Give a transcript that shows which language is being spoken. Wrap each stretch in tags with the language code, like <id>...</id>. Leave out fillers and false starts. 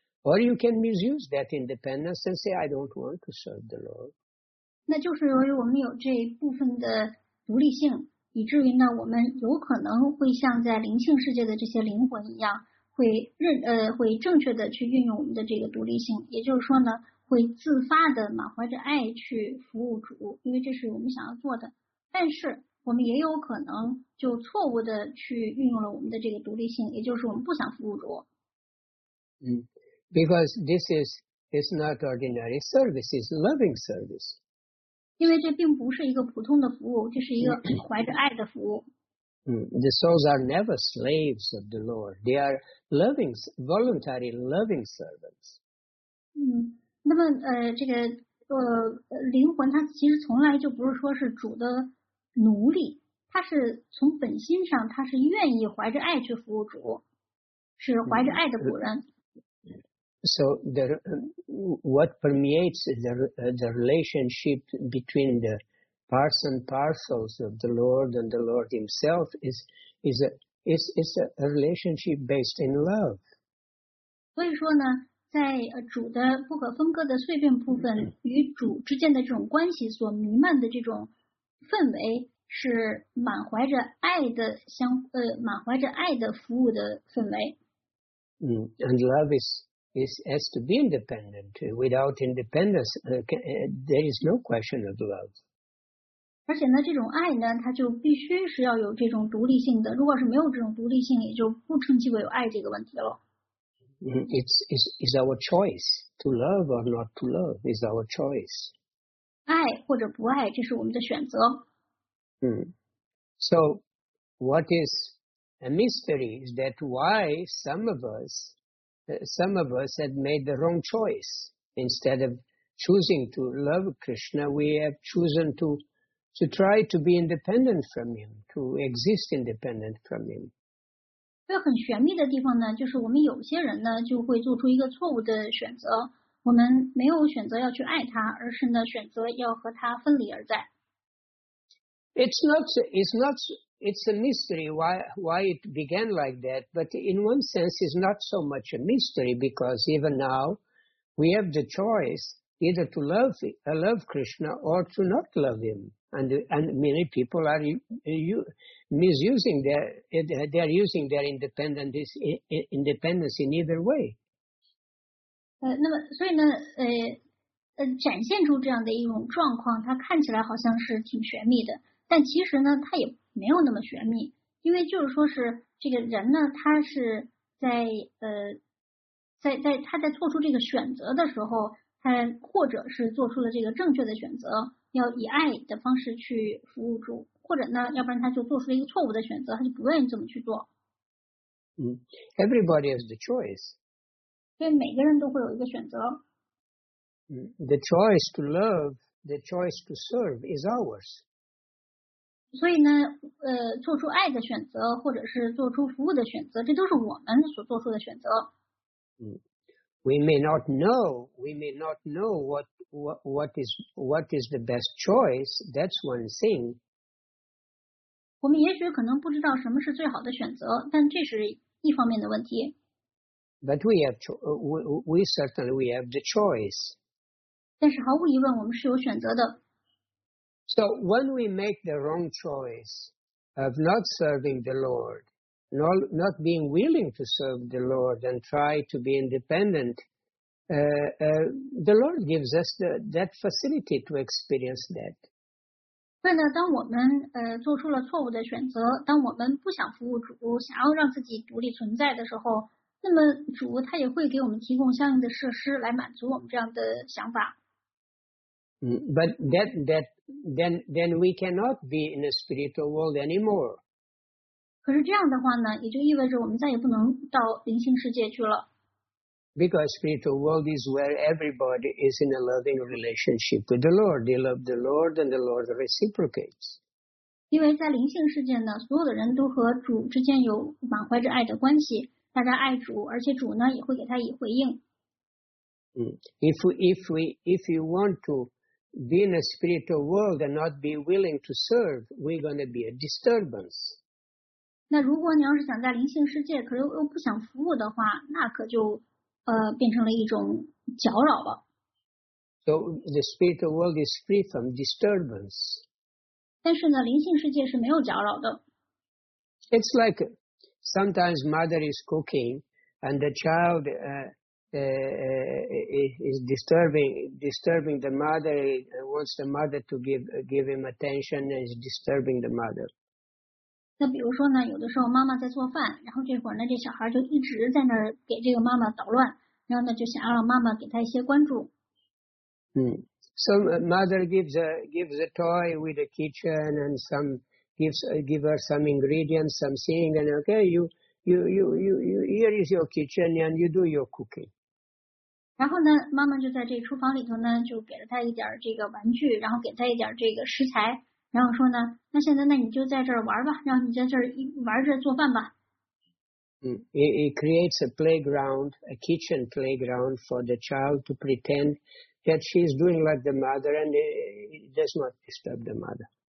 <en>Or you can misuse that independence and say, I don't want to serve the Lord.</en> <zh>那就是由于我们有这部分的独立性，以至于呢，我们有可能会像在灵性世界的这些灵魂一样，会正确的去运用我们的这个独立性，也就是说呢，会自发的满怀着爱去服务主，因为这是我们想要做的。但是我们也有可能就错误的去运用了我们的这个独立性，也就是我们不想服务主。</zh> <en>Because this is not ordinary service, it's loving service.</en> <zh>因为这并不是一个普通的服务，这是一个怀着爱的服务。</zh> <en>The souls are never slaves of the Lord. They are loving, voluntary loving servants.</en> <zh>那么这个灵魂它其实从来就不是说是主的奴隶，它是从本心上它是愿意怀着爱去服务主，是怀着爱的仆人。</zh> <en>So what permeates the relationship between the parts and parcels of the Lord and the Lord himself is a relationship based in love.</en> <zh>所以说呢，在主的不可分割的碎片部分与主之间的这种关系所弥漫的这种氛围是满怀着爱的满怀着爱的服务的氛围。</zh> <en>And love is is, has to be independent. Without independence, there is no question of love.</en> <zh>而且呢，这种爱呢，它就必须是要有这种独立性的。如果是没有这种独立性，也就不称其为有爱这个问题了。</zh> <en>It's our choice to love or not to love is our choice.</en> <zh>爱或者不爱，这是我们的选择。</zh> <en>So, what is a mystery is that why some of us have made the wrong choice. Instead of choosing to love Krishna, we have chosen to try to be independent from him, to exist independent from him.</en> <zh>这很玄秘的地方呢，就是我们有些人呢就会做出一个错误的选择。我们没有选择要去爱他，而是呢选择要和他分离而在。</zh> <en>It's a mystery why it began like that, but in one sense it's not so much a mystery because even now we have the choice either to love Krishna or to not love him. And many people are misusing their independence in either way.</en> <zh>那么所以呢，展现出这样的一种状况，它看起来好像是挺玄秘的，但其实呢，它也没有那么玄秘，因为就是说是这个人呢，他是在做出这个选择的时候，他或者是做出了这个正确的选择。要以爱的方式去服务主，或者呢，要不然他就做出了一个错误的选择，他就不愿意这么去做。</zh> <en>Everybody has the choice.</en> <zh>所以每个人都会有一个选择。</zh> <en>The choice to love, the choice to serve is ours.</en> <zh>所以呢，做出爱的选择，或者是做出服务的选择，这都是我们所做出的选择。</zh> <en>We may not know what is the best choice. That's one thing.</en> <zh>我们也许可能不知道什么是最好的选择，但这是一方面的问题。</zh> <en>But we have we certainly have the choice.</en> <zh>但是毫无疑问，我们是有选择的。</zh> <en>So when we make the wrong choice of not serving the Lord, not being willing to serve the Lord and try to be independent. The Lord gives us that facility to experience that.</en> <zh>所以呢，当我们做出了错误的选择，当我们不想服务主，想要让自己独立存在的时候，那么主他也会给我们提供相应的设施来满足我们这样的想法。</zh> <en>But then we cannot be in a spiritual world anymore.</en> <zh>可是这样的话呢，也就意味着我们再也不能到灵性世界去了。</zh> <en>Because spiritual world is where everybody is in a loving relationship with the Lord. They love the Lord and the Lord reciprocates.</en> <zh>因为在灵性世界呢，所有的人都和主之间有满怀着爱的关系，大家爱主，而且主呢也会给他以回应。</zh> <en>If you want to be in a spiritual world and not be willing to serve, we're going to be a disturbance.</en> <zh>那如果你要是想在灵性世界，可是又不想服务的话，那可就变成了一种搅扰了。</zh> <en>So the spiritual world is free from disturbance.</en> <zh>但是呢，灵性世界是没有搅扰的。</zh> <en>It's like sometimes mother is cooking and the child is disturbing the mother. Wants the mother to give him attention and is disturbing the mother.</en> <zh>那比如说呢，有的时候妈妈在做饭，然后这会儿呢，这小孩就一直在那儿给这个妈妈捣乱。然后呢，就想要让妈妈给他一些关注。</zh> <en>Some mother gives a toy with a kitchen, and some give her some ingredients, some thing, and okay, you here is your kitchen, and you do your cooking.</en> <zh>然后呢，妈妈就在这厨房里头呢，就给了他一点这个玩具，然后给他一点这个食材，然后说呢，那现在那你就在这儿玩吧，然后你在这儿玩着做饭吧。</zh> <en>It creates a playground, a kitchen playground for the child to pretend that she is doing like the mother, and it does not disturb the mother.</en>